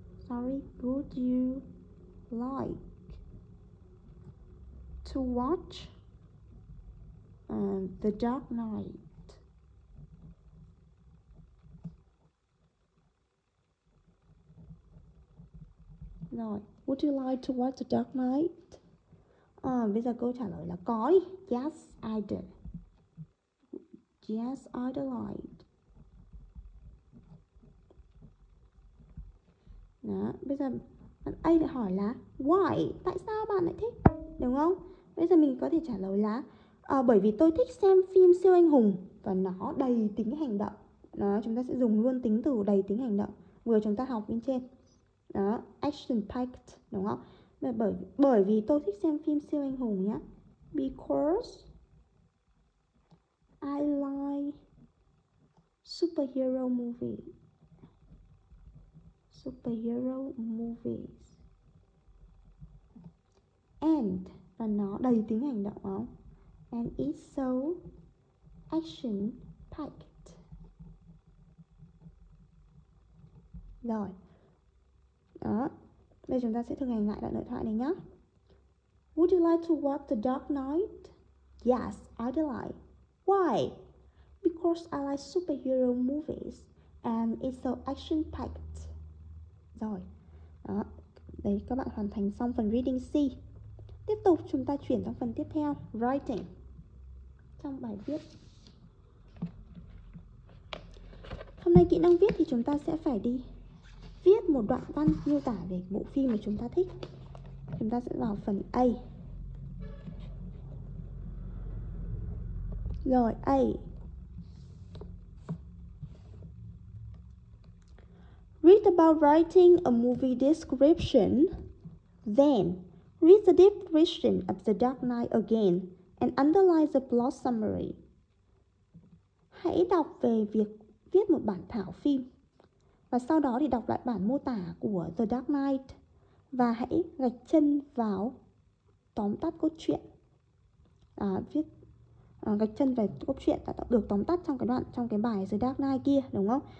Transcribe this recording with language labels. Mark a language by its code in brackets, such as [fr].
[en] Would you like to watch The Dark Knight? Rồi, would you like to watch The Dark Knight? [vi] Bây giờ câu trả lời là có đi. [en] Yes, I do. Yes, I do like. [vi] Đó, bây giờ bạn A lại hỏi là why, tại sao bạn lại thích, đúng không? Bây giờ mình có thể trả lời là bởi vì tôi thích xem phim siêu anh hùng và nó đầy tính hành động. Đó, chúng ta sẽ dùng luôn tính từ đầy tính hành động vừa chúng ta học bên trên. Đó, action packed, đúng không? Bởi vì tôi thích xem phim siêu anh hùng nhá. [en] Because I like superhero movie. Superhero movies. [vi] And, và nó đầy tính hành động không? [en] And it's so action packed. [vi] Rồi. Đó. Bây giờ chúng ta sẽ thực hành lại đoạn đối thoại này nhé. [en] Would you like to watch The Dark Knight? Yes, I'd like. Why? Because I like superhero movies and it's so action packed. [vi] Rồi. Đó. Đấy, các bạn hoàn thành xong phần reading C. Tiếp tục chúng ta chuyển sang phần tiếp theo, writing. Trong bài viết. Hôm nay kỹ năng viết thì chúng ta sẽ phải đi viết một đoạn văn miêu tả về bộ phim mà chúng ta thích. Chúng ta sẽ vào phần A. Rồi, A. [en] Read about writing a movie description. Then, read the description of The Dark Knight again and underline the plot summary. [vi] Hãy đọc về việc viết một bản thảo phim. Và sau đó thì đọc lại bản mô tả của The Dark Knight và hãy gạch chân vào tóm tắt cốt truyện. Gạch chân về cốt truyện đã được tóm tắt trong cái đoạn trong cái bài The Dark Knight kia, đúng không?